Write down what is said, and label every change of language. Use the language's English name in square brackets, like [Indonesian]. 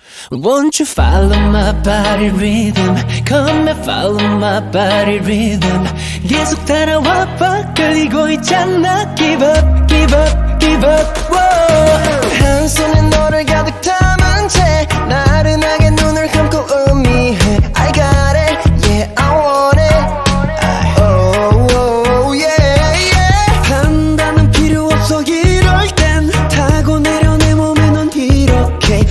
[English] Won't you follow my body rhythm? Come and follow my body rhythm. [Korean] 계속 따라와 봐, 끌리고 있잖아. [English] Give up, give up, give up, whoa. [Korean] 한 손에 너를 가득 담은 채 나른하게 눈을 감고 음미해. [English] I got it, yeah, I want it. Oh, oh, yeah, yeah. [Korean] 판단은 필요 없어, 이럴 땐 타고 내려 내 몸에 넌 이렇게.